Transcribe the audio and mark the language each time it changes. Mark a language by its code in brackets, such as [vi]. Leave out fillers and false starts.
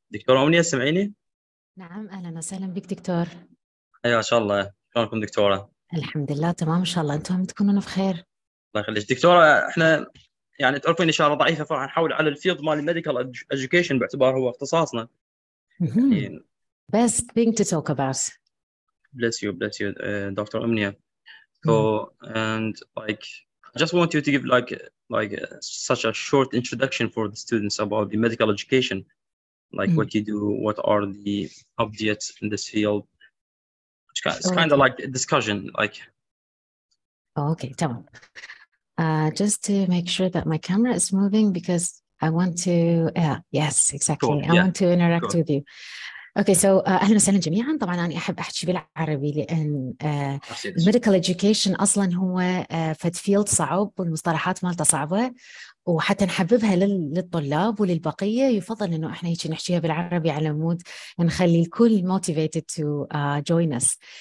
[ar] دكتوره امنيه سمعيني؟ نعم اهلا وسهلا بك دكتور. ايوه ان شاء الله. شلونكم دكتوره؟ الحمد لله تمام ان شاء الله، انتم تكونون بخير. الله يخليك دكتوره. احنا يعني تعرفين اشاره ضعيفه، فراح نحول على الفيلد مال الميديكال ادكيشن باعتبار هو اختصاصنا. [en] Best thing to talk about. Bless you, Dr. Omnia. So, and like, I just want you to give like such a short introduction for the students about the medical education, like what you do, what are the objects in this field. It's kind of like a discussion, like. Oh, okay, tamam. Just to make sure that my camera is moving because I want to. Yeah, yes, exactly. Cool. I want to interact with you. [ar] اوكي سو اهلا وسهلا جميعا. طبعا انا احب احكي بالعربي لان الميديكال ادكيشن اصلا هو فد فيلد صعب والمصطلحات مالته صعبه، وحتى نحببها للطلاب وللبقيه يفضل انه احنا هيك نحكيها بالعربي على مود نخلي الكل [en] Motivated to join us.